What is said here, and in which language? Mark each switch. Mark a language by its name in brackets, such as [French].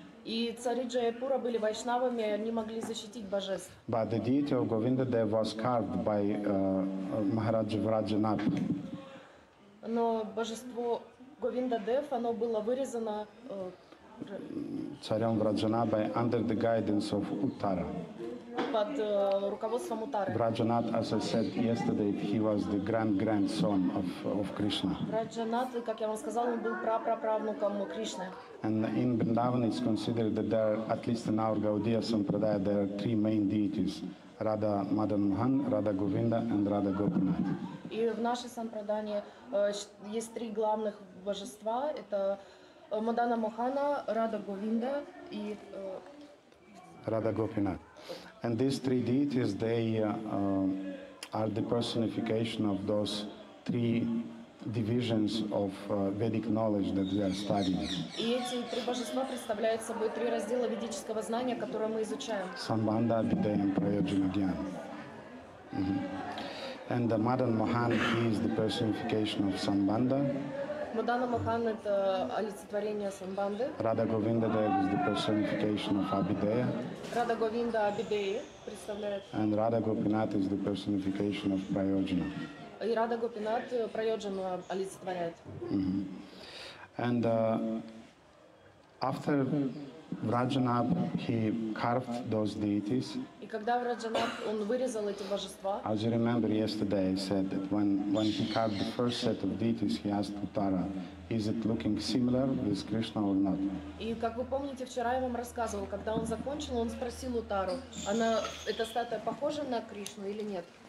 [Russian] И цари Джайпура были вайшнавами, они могли защитить божеств. [English] But the deity of Govindadev was carved by Maharaja Vrajanath. [Russian] Но божество Говиндадев, оно было вырезано царем Враджанабхой [English] under the guidance of Uttara. [Russian] Под руководством Утары. [English] Враджанат, as I said yesterday, he was the grandson of Krishna. [Russian] Враджанат, как я вам сказал, он был праправнуком Кришны. [English] And in Vrindavan it's considered that there are, at least in our Gaudiya Sampradaya, there are three main deities: Radha Madanmohan, Radha Govinda, and Radha Gopinath. [Russian] И в нашей сампрадане есть три главных божества: это Мадана Мохана, Радха Говинда и Radha Gopinath. [English] And these three deities, they are the personification of those three divisions of Vedic knowledge that we are studying. [Russian] И эти три божества представляют собой три раздела ведического знания, которые мы изучаем. Samvanda, Abhideya, and Prayojanagyan. And the Madan Mohan, he is the personification of Samvanda. Мадана Мохан — это олицетворение Самбанды. [English] Radha Govindadev is the personification of Abhideya. [Russian] Radha Govinda Abhideya представляет. [English] And Radha Gopinath is the personification of Prayojana. [Russian] И Radha Gopinath Prayojana олицетворяет. [English] And after Vrajanath, he carved those deities. [Russian] И когда Враджанат, он вырезал эти божества. [English] As you remember yesterday, I said that when he carved the first set of deities, he asked Uttara, is it looking similar with Krishna or not? [Russian] И как вы помните, вчера я вам рассказывал, когда он закончил, он спросил Утару, она эта статуя похожа на Кришну или нет?